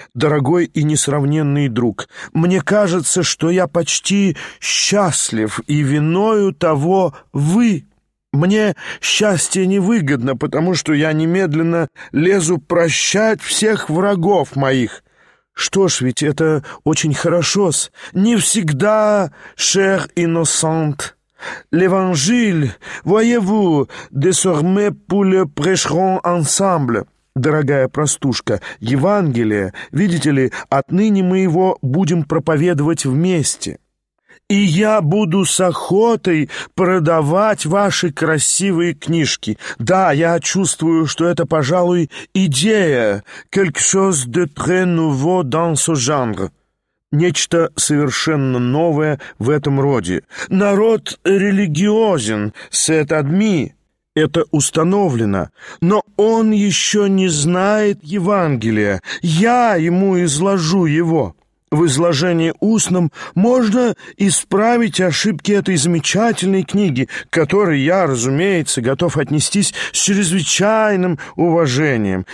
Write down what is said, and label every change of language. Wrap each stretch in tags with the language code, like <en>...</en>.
<ru>дорогой и несравненный друг, мне кажется, что я почти счастлив, и виною того вы». «Мне счастье невыгодно, потому что я немедленно лезу прощать всех врагов моих». «Что ж, ведь это очень хорошо-с». «Не всегда,</ru> <fr>cher innocent. L'évangile, voyez-vous, désormais pour le prêcheront ensemble».</fr> <ru>«Дорогая простушка, Евангелие, видите ли, отныне мы его будем проповедовать вместе». «И я буду с охотой продавать ваши красивые книжки. Да, я чувствую, что это, пожалуй, идея.</ru> <fr>Quelque chose de très nouveau dans ce genre».</fr> <ru>«Нечто совершенно новое в этом роде». «Народ религиозен,</ru> <fr>c'est admis».</fr> <ru>«Это установлено, но он еще не знает Евангелия. Я ему изложу его». В изложении устном можно исправить ошибки этой замечательной книги, к которой я, разумеется, готов отнестись с чрезвычайным уважением.</ru>